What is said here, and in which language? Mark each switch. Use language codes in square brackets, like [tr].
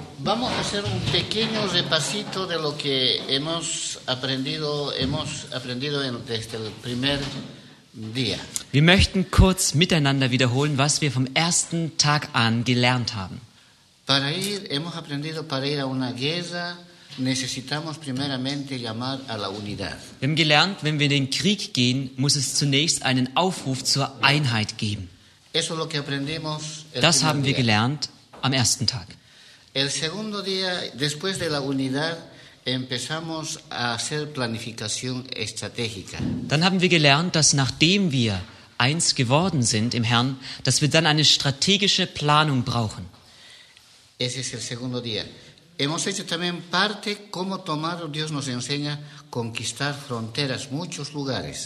[es] Vamos a hacer un pequeño repasito de lo que hemos aprendido desde el primer día. [de] Wir möchten kurz miteinander wiederholen, was wir vom ersten Tag an gelernt haben. [es] Hemos aprendido para ir a una guerra, necesitamos primeramente llamar a la unidad. [de] Wir haben gelernt, wenn wir in den Krieg gehen, muss es zunächst einen Aufruf zur Einheit geben. [es] Eso es lo que aprendimos [de] el das haben wir día. Gelernt am ersten Tag. [es] El segundo día, después de la unidad, empezamos a hacer planificación estratégica. [de] Dann haben wir gelernt, dass nachdem wir eins geworden sind im Herrn, dass wir dann eine strategische Planung brauchen. [es] Ese es el segundo día. Hemos hecho también parte cómo tomar, Dios nos enseña, conquistar fronteras, muchos lugares.